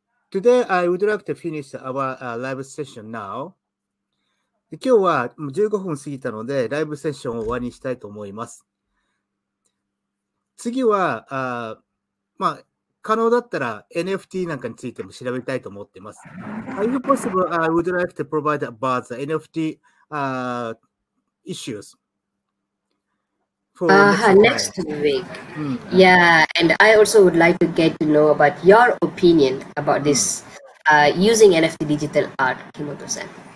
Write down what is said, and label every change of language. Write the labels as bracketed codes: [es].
[en] Today, I would like to finish our live session now. [ja] 今日は15分過ぎたので、ライブセッションを終わりにしたいと思います。次は、可能だったら NFT なんかについても調べたいと思っています。 [en] If possible, I would like to provide about the NFT issues. Next week. Yeah, and I also would like to get to know about your opinion about this using NFT digital art, Kimoto-san.